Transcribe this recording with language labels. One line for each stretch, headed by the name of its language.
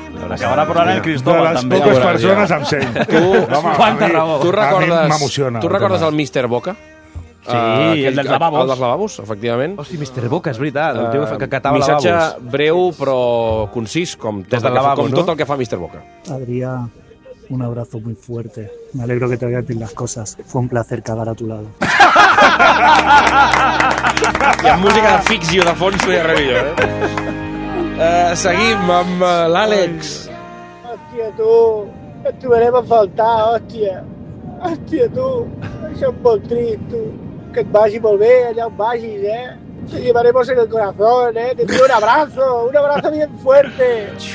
Catalan: Que ara parlarà el Cristóbal, també. De les poques persones em sent. Quanta raó. Tu recordes, m'emociona. Tu recordes el Mister Boca? Sí, aquell, el dels lavabos. El dels lavabos, efectivament. Hòstia, Mister Boca, és veritat. El tio que catava missatge lavabos. Missatge breu, però concís, com, des del lavabo, com no? Tot el que fa Mister Boca.
Spanish: Adrià, un abrazo muy fuerte. Me alegro que te hagas bien las cosas. Fue un placer cagar a tu lado.
Catalan: I amb música de Fixio de fons no hi ha res millor, seguim amb l'Àlex. Hòstia, tu, et trobarem a faltar, hòstia, tu, això és molt trist, tu, que et vagi molt bé allà on vagis,
Spanish: te llevaremos en el corazón, te pido un abrazo bien fuerte.